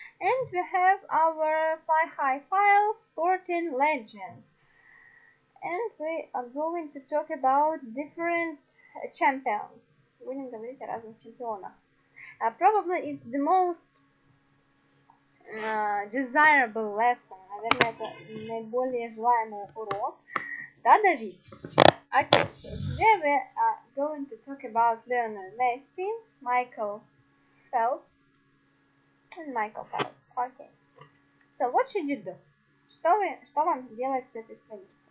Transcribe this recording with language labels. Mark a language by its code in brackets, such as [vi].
[en] And we have our Fi-Hi file Sporting Legends. And we are going to talk about different champions. [ru] Будем говорить о разных чемпионах. [en] Probably it's the most desirable lesson. [ru] Наверное, это наиболее желаемый урок. Да, Дави? [en] Okay, so today we are going to talk about Lionel Messi, Michael Phelps, and Michael Phelps. Okay, so what should you do? [ru] Что вам делать с этой страницей?